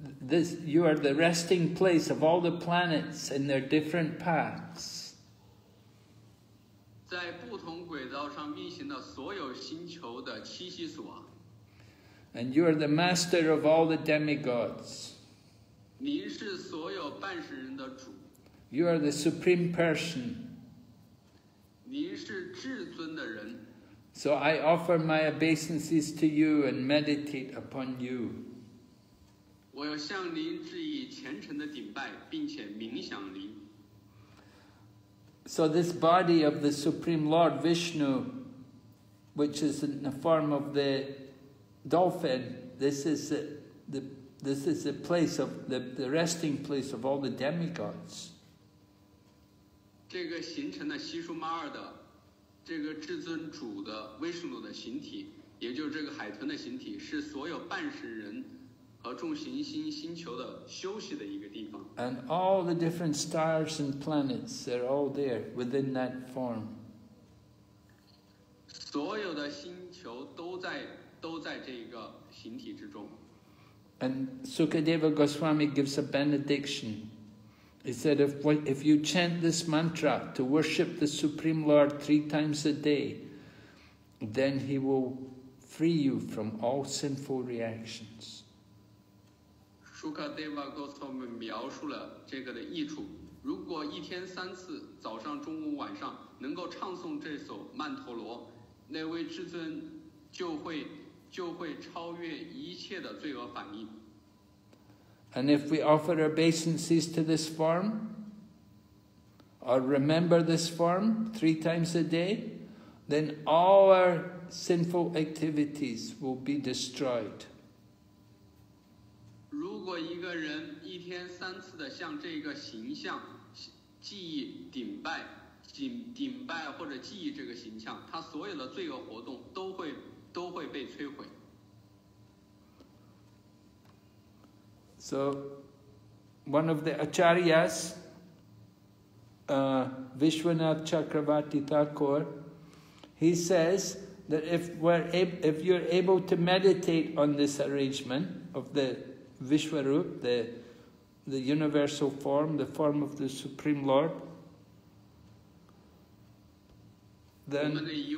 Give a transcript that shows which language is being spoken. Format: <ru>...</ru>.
<en>You are the resting place of all the planets in their different paths.</en> <zh>在不同轨道上运行的所有星球的栖息所。</zh> <en>And you are the master of all the demigods.</en> <zh>您是所有半世人的主。</zh> <en>You are the supreme person.</en> <zh>您是至尊的人。</zh> <en>So I offer my obeisances to you and meditate upon you.</en> <zh>我要向您致以虔诚的顶拜，并且冥想您。</zh> <en>So this body of the Supreme Lord Vishnu, which is in the form of the dolphin, this is the place of the resting place of all the demigods.</en> <zh>这个形成了西舒玛尔的这个至尊主的威士努的形体，也就是这个海豚的形体，是所有半世人和众行星星球的休息的一个地方。</zh> <en>And all the different stars and planets are all there within that form.</en> <zh>所有的星球都在这个形体之中。</zh> <en>And Sukadeva Goswami gives a benediction. He said, if you chant this mantra to worship the Supreme Lord three times a day, then he will free you from all sinful reactions.</en> <zh>Sukadeva Goswami 描述了这个的益处。如果一天三次，早上、中午、晚上能够唱诵这首曼陀罗，那位至尊就会超越一切的罪恶反应。</zh> <en>And if we offer obeisances to this form, or remember this form three times a day, then all our sinful activities will be destroyed.</en> <zh>如果一个人一天三次的向这个形象记忆顶拜或者记忆这个形象，他所有的罪恶活动都会被摧毁。</zh> <en>So, one of the Acharyas, Vishwanath Chakravarti Thakur, he says that if you're able to meditate on this arrangement of the Vishwarup, the universal form, the form of the Supreme Lord, then...</en>